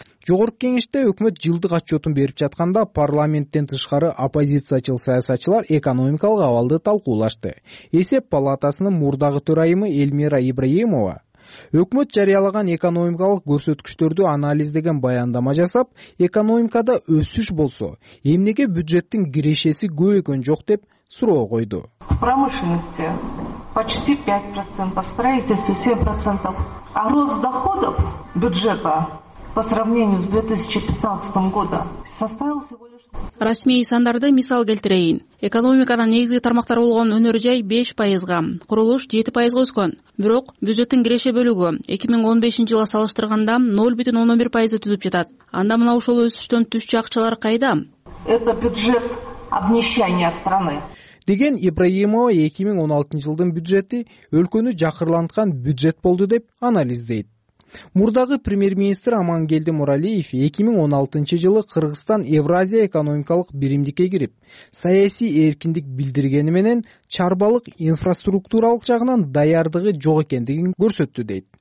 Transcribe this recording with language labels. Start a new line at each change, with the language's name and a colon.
Kyrgyz: Жогорку кеңеште өкмөт жылдык отчетун берип жатканда парламенттен тышкары оппозициячыл саясатчылар экономикалык абалды талкуулашты. Эсеп палатасынын мурдагы төрайымы Эльмира Ибраимова өкмөт жарыялаган экономикалык көрсөткүчтөрдү анализдеген баяндама жасап, экономикада өсүш болсо, эмнеге бюджеттин кирешеси көбөйгөн жок деп суроо койду.
Russian: Промышленности почти 5%, строительству 7%, а рост доходов бюджета по сравнению с 2015 года составил всего лишь...
Kyrgyz: Расмий сандарды мисал келтирейин. Экономиканын негизги тармактары болгон өнөр жай 5%, курулуш 7% өскөн. Бирок бюджеттин киреше бөлүгү 2015 жылга салыштырганда 0.11% түзүп жатат. Анда мына ошол өсүштөн түшчү акчалар кайда?
Russian: Это бюджет обнищания страны.
Kyrgyz: Деген Ибраимова 2016 жылдын бюджети өлкөнү жакырланткан бюджет болду деп анализдейт. Мурдагы премьер-министр Амангелди Муралиев 2016 жылы Кыргызстан Евразия экономикалык биримдикке кирип, саясий эркиндик билдиргени менен чарбалык инфраструктуралык жагынан даярдыгы жок экендигин көрсөттү дейт.